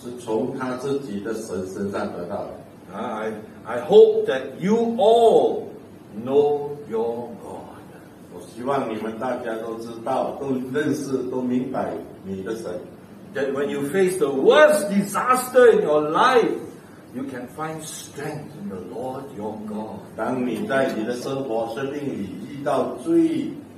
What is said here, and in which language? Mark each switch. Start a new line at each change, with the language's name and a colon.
Chinese: 是从他自己的神身上得到的。
English: I hope that you all know your God.
Chinese: 我希望你们大家都知道，都认识，都明白你的神。
English: That when you face the worst disaster in your life, you can find strength in the Lord your God.
Chinese: 当你在你的生活生命里遇到最